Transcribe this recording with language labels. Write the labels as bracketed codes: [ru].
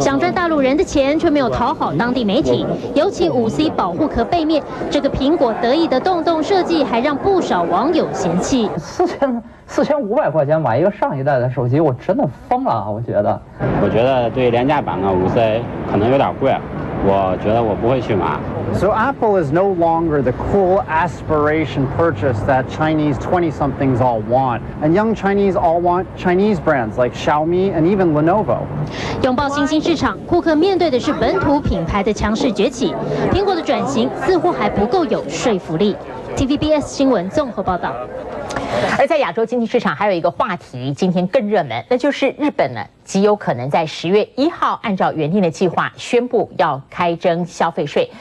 [zh] 想赚大陆人的钱，却没有讨好当地媒体。尤其 5C 保护壳背面这个苹果得意的洞洞设计还让不少网友嫌弃。 4500块钱买一个上一代的手机，我真的疯了。我觉得对廉价版的 5C 可能有点贵，我觉得我不会去买。 [en] So Apple is no longer the cool aspiration purchase that Chinese 20-somethings all want. And young Chinese all want Chinese brands like Xiaomi and even Lenovo. [zh] 拥抱新兴市场，库克面对的是本土品牌的强势崛起。苹果的转型似乎还不够有说服力。 TVBS 新闻综合报道。而在亚洲经济市场还有一个话题今天更热门，那就是日本呢极有可能在10月1号按照原定的计划宣布要开征消费税。